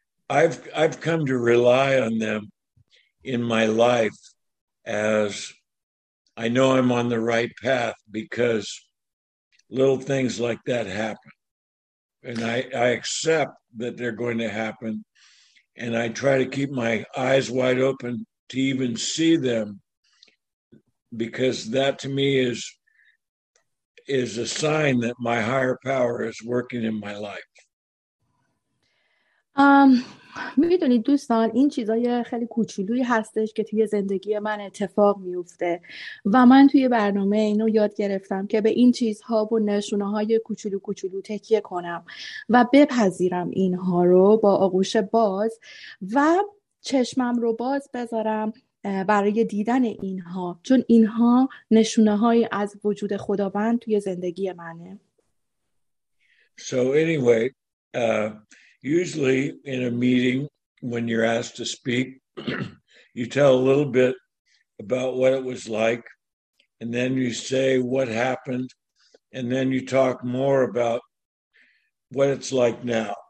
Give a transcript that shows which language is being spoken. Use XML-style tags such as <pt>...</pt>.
<en>I've come to rely on them in my life, as I know I'm on the right path because little things like that happen, and I accept that they're going to happen, and I try to keep my eyes wide open to even see them. Because that to me is a sign that my higher power is working in my life.</en> <fa>میدونید دوستان، این چیزای خیلی کوچولویی هستش که توی زندگی من اتفاق میفته، و من توی برنامه اینو یاد گرفتم که به این چیزها و نشونه های کوچولو کوچولو تکیه کنم و بپذیرم اینها رو با آغوش باز و چشمم رو باز بذارم برای دیدن اینها، چون اینها نشونه های از وجود خداوند توی زندگی منه.</fa> <en>So anyway, usually in a meeting when you're asked to speak, you tell a little bit about what it was like, and then you say what happened, and then you talk more about what it's like now.</en>